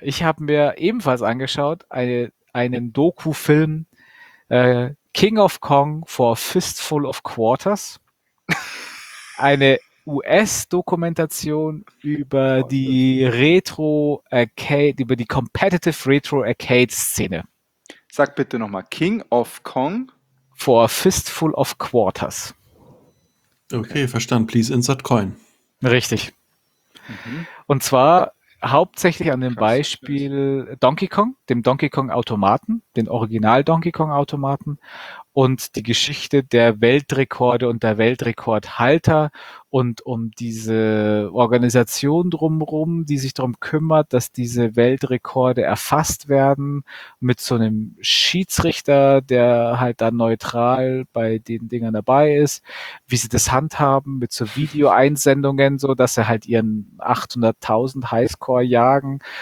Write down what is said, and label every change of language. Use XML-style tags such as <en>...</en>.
<de>Ich habe mir ebenfalls angeschaut, einen Doku-Film King of Kong for a Fistful of Quarters. Eine US-Dokumentation über die Retro Arcade, über die Competitive Retro Arcade-Szene. Sag bitte nochmal, King of Kong for a Fistful of Quarters. Okay, verstanden.</de> <en>Please insert coin.</en> <de>Richtig. Mhm. Und zwar hauptsächlich an dem Beispiel Donkey Kong, dem Donkey Kong Automaten, den Original Donkey Kong Automaten und die Geschichte der Weltrekorde und der Weltrekordhalter und um diese Organisation drumherum, die sich darum kümmert, dass diese Weltrekorde erfasst werden mit so einem Schiedsrichter, der halt dann neutral bei den Dingern dabei ist, wie sie das handhaben mit so Videoeinsendungen, so dass sie halt ihren 800.000 Highscore jagen</de>